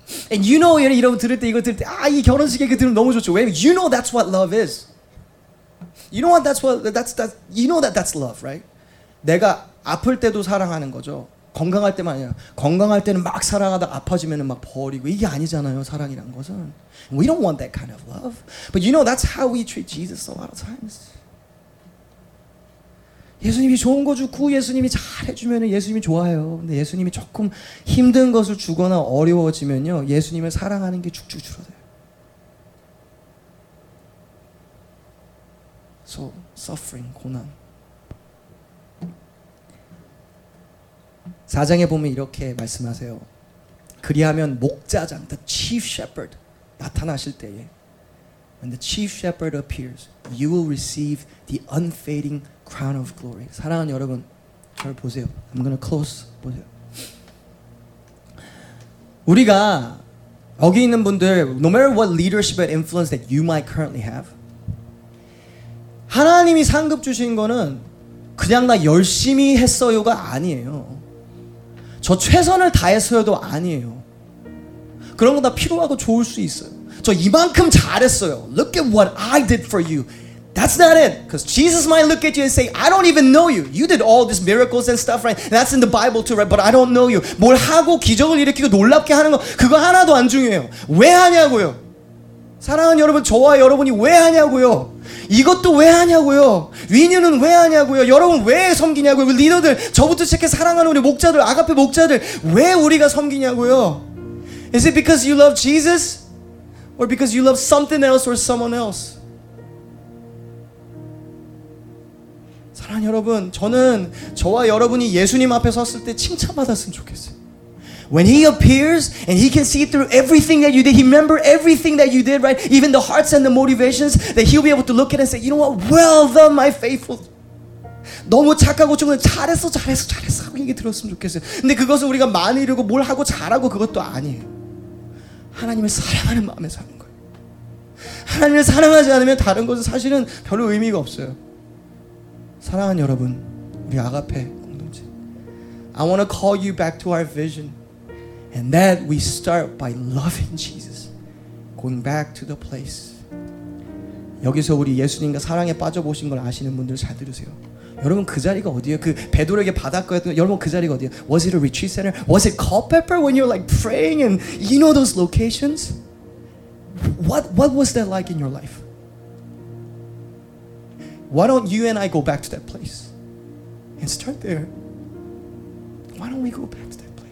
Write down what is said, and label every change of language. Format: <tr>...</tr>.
<en>And you know,</en> <ko>여러분 들을 때 이거 들을 때 이 결혼식 얘기 들으면 너무 좋죠. 왜?</ko> <en>You know that's what love is. You know what that's love, right?</en> <ko>내가 아플 때도 사랑하는 거죠. 건강할 때만 아니라 건강할 때는 막 사랑하다가 아파지면은 막 버리고 이게 아니잖아요 사랑이란 것은.</ko> <en>We don't want that kind of love. But you know that's how we treat Jesus a lot of times.</en> <ko>예수님이 좋은 거 주고 예수님이 잘해주면은 예수님이 좋아요. 근데 예수님이 조금 힘든 것을 주거나 어려워지면요 예수님을 사랑하는 게 쭉쭉 줄어들어요.</ko> <en>So suffering,</en> <ko>고난.</ko> <en>4장에 보면 이렇게 말씀하세요.</en> <ko>그리하면 목자장,</ko> <en>the chief shepherd</en> <ko>나타나실 때에</ko> <en>when the chief shepherd appears, you will receive the unfading crown of glory.</en> <ko>사랑하는 여러분, 저를 보세요.</ko> <en>I'm gonna close,</en> <ko>보세요. 우리가 여기 있는 분들,</ko> <en>no matter what leadership and influence that you might currently have,</en> <ko>하나님이 상급 주신 거는 그냥 나 열심히 했어요가 아니에요. 저 최선을 다했어요도 아니에요. 그런 거 다 필요하고 좋을 수 있어요. 저 이만큼 잘했어요.</ko> <en>Look at what I did for you. That's not it. Because Jesus might look at you and say, I don't even know you. You did all these miracles and stuff, right? And that's in the Bible too, right? But I don't know you.</en> <ko>뭘 하고 기적을 일으키고 놀랍게 하는 거 그거 하나도 안 중요해요. 왜 하냐고요? 사랑하는 여러분, 저와 여러분이 왜 하냐고요? 이것도 왜 하냐고요? 위니는 왜 하냐고요? 여러분 왜 섬기냐고요? 우리 리더들, 저부터 시작해 사랑하는 우리 목자들, 아가페 목자들 왜 우리가 섬기냐고요?</ko> <en>Is it because you love Jesus? Or because you love something else or someone else?</en> <ko>사랑하는 여러분, 저는 저와 여러분이 예수님 앞에 섰을 때 칭찬받았으면 좋겠어요.</ko> <en>When he appears and he can see through everything that you did, he remember everything that you did, right? Even the hearts and the motivations that he'll be able to look at and say, you know what? Well done, my faithful.</en> <ko>너무 착하고 좋은 잘했어, 잘했어, 잘했어 하고 얘기 들었으면 좋겠어요. 근데 그것은 우리가 많이 이루고 뭘 하고 잘하고 그것도 아니에요. 하나님을 사랑하는 마음에서 하는 거예요. 하나님을 사랑하지 않으면 다른 것은 사실은 별로 의미가 없어요. 사랑하는 여러분, 우리 아가페 공동체.</ko> <en>I want to call you back to our vision. And that we start by loving Jesus, going back to the place.</en> <ko>여기서 우리 예수님과 사랑에 빠져보신 걸 아시는 분들 잘 들으세요. 여러분 그 자리가 어디예요? 그 베드로에게 받았거든요. 여러분 그 자리가 어디예요?</ko> <en>Was it a retreat center? Was it Culpeper when you're like praying and you know those locations? What was that like in your life? Why don't you and I go back to that place and start there? Why don't we go back to that?</en>